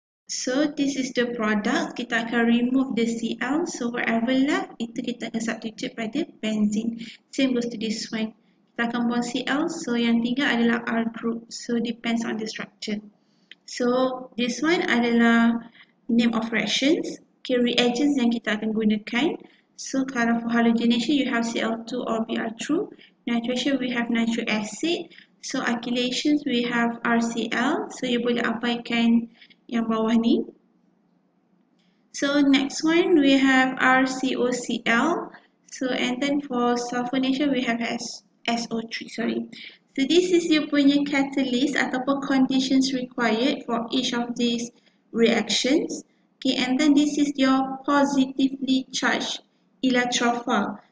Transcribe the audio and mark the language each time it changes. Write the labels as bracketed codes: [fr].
[en] So this is the product, [ms] kita akan [en] remove the Cl, so whatever left [ms] itu kita akan [en] substitute [ms] pada [en] benzene. Same goes to this one, [ms] kita akan [en] bond Cl, so [ms] yang tinggal adalah [en] R group, so depends on the structure. So this one [ms] adalah [en] name of reactions, okay, reagents [ms] yang kita akan gunakan. [en] So [ms] kalau [en] for halogenation, you have Cl2 or Br2. Nitration, we have nitric acid. So alkylations, we have RCl. So you [ms] boleh apaikan yang bawah ni. [en] So next one, we have RCOCl. So and then for sulfonation, we have SO3, sorry. So this is your [ms] punya [en] catalyst [ms] ataupun [en] conditions required for each of these reactions. Okay, and then this is your positively charged electrophile.